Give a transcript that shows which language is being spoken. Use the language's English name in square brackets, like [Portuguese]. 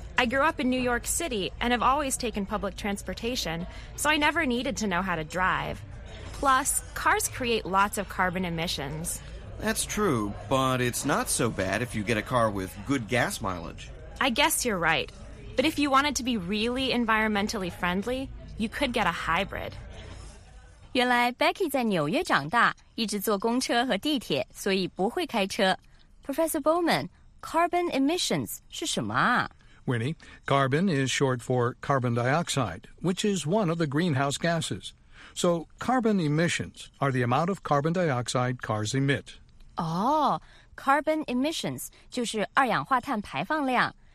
[English] I grew up in New York City and have always taken public transportation, so I never needed to know how to drive. Plus, cars create lots of carbon emissions. That's true, but it's not so bad if you get a car with good gas mileage. I guess you're right. But if you wanted to be really environmentally friendly, you could get a hybrid. [Chinese] 原来 Becky 在纽约长大，一直坐公车和地铁，所以不会开车。 Professor Bowman, carbon emissions 是什么啊？ [English] Winnie, carbon is short for carbon dioxide, which is one of the greenhouse gases. So carbon emissions are the amount of carbon dioxide cars emit. [Chinese] 哦、oh, carbon emissions 就是二氧化碳排放量。